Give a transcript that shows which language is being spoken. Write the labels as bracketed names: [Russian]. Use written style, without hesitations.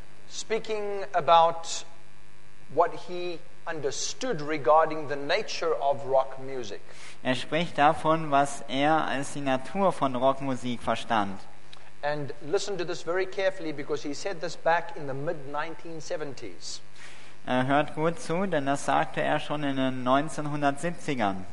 [English] speaking about what he understood regarding the nature of rock music. [German] Er spricht davon, was er als die Natur von Rockmusik verstand. [English] And listen to this very carefully, because he said this back in the mid-1970s. [German] Er hört gut zu, denn das sagte er schon in den 1970ern.